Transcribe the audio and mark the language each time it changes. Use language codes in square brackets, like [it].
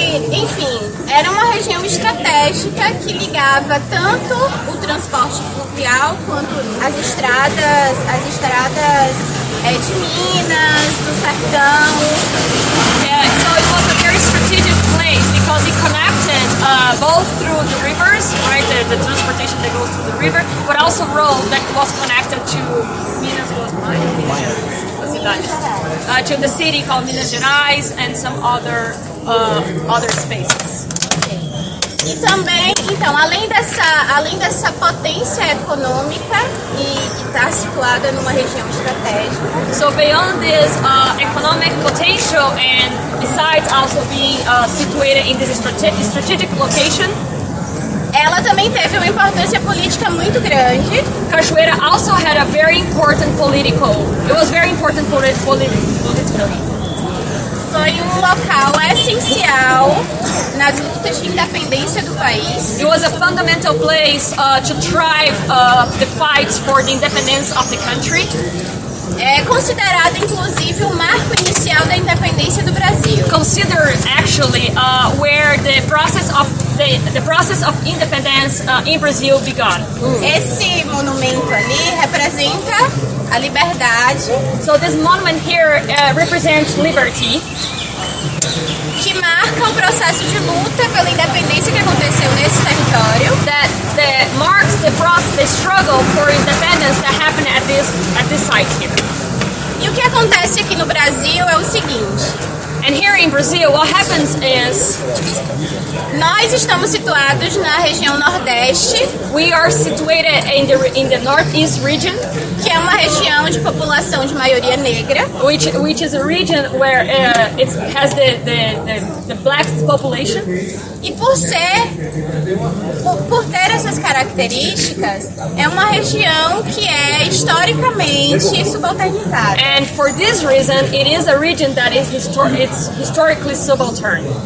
[pt] Enfim, era uma região estratégica que ligava tanto o transporte fluvial quanto as estradas de Minas, do sertão. [en] So it was a very strategic place because it connected both through the rivers, right, the transportation that goes through the river, but also road that was connected to Minas was to the city called Minas Gerais and some other spaces. Okay. [pt] E também, então, além dessa potência econômica e estar situada numa região estratégica. [en] So beyond this economic potential and besides also being situated in this strategic location, [pt] ela também teve uma importância política muito grande. [en] Cachoeira also had a very important political. It was very important politically. [pt] Foi um local essencial nas lutas de independência do país. [en] It was a fundamental place to drive the fights for the independence of the country. [pt] É considerado, inclusive, o marco inicial da independência do Brasil. [en] Considered, actually, where the process of independence in Brazil began. [pt] Esse monumento ali representa a liberdade. [en] So this monument here represents liberty. [pt] Que marca o processo de luta pela independência que aconteceu nesse território. [en] That marks the struggle for independence that happened at this site here. [pt] E o que acontece aqui no Brasil é o seguinte. [en] And here in Brazil, what happens is... [pt] Nós estamos situados na região Nordeste. [en] We are situated in the Northeast region. [pt] Que é uma região de população de maioria negra. [en] Which is a region where it has the black population. [pt] E por ter essas características, é uma região que é historicamente subalternizada. [en] And for this reason, it is a region that is historically subaltern.